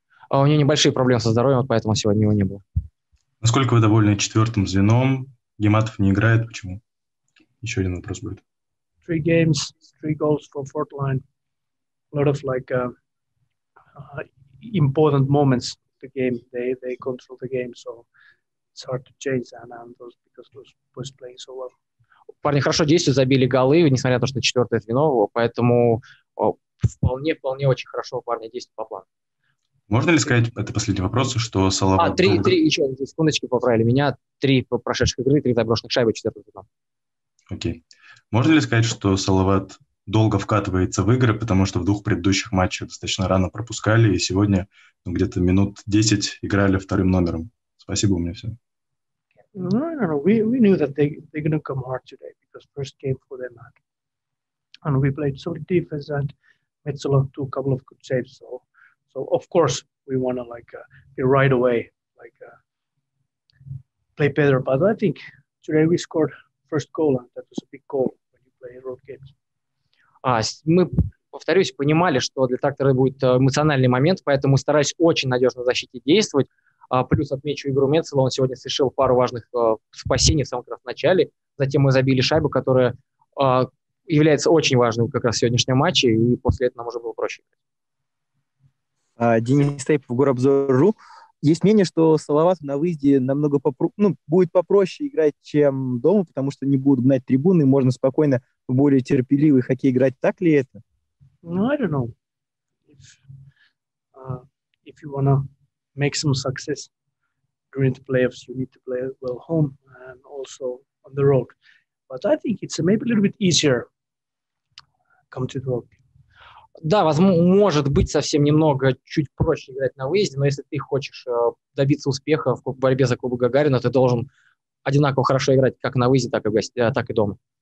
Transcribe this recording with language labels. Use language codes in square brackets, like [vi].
[ru] У него небольшие проблемы со здоровьем, поэтому сегодня его не было. Насколько вы довольны четвертым звеном? Гематов не играет, почему? Еще один вопрос будет. [en] Three games, three goals for fourth line. A lot of like important moments the game. They control the game, so it's hard to change and those because those boys playing so well. [ru] Парни хорошо действуют, забили голы, несмотря на то, что четвертое звено, поэтому вполне очень хорошо парни действуют по плану. Можно ли сказать, это последний вопрос, что Салават... Три, еще секундочки поправили меня. Три прошедших игры, три заброшенных шайбы, четвертый звено. Окей. Можно ли сказать, что Салават долго вкатывается в игры, потому что в двух предыдущих матчах достаточно рано пропускали, и сегодня где-то минут 10 играли вторым номером? Спасибо, у меня все. [en] No. We knew that they're going to come hard today because first game for them. And we played solid defense and Metsola took a couple of good saves. So of course, we want to be right away, play better. But I think today we scored first goal and that was a big goal when you play road games. [ru] Мы, повторюсь, понимали, что для Трактора будет эмоциональный момент, поэтому старались очень надежно в защите действовать. Плюс отмечу игру Метсола, он сегодня совершил пару важных спасений в самом как раз начале. Затем мы забили шайбу, которая является очень важной как раз в сегодняшнем матче, и после этого нам уже было проще. Денис Тейпов, Горобзор.ру. Есть мнение, что Салават на выезде намного будет попроще играть, чем дома, потому что не будут гнать трибуны, можно спокойно в более терпеливый хоккей играть. Так ли это? [en] I don't know. If you wanna make some success during the playoffs, you need to play well home and also on the road. But I think it's maybe a little bit easier come to the road. [ru] Да, возможно, может быть совсем немного, чуть проще играть на выезде, но если ты хочешь добиться успеха в борьбе за Кубок Гагарина, ты должен одинаково хорошо играть как на выезде, так и, так и дома.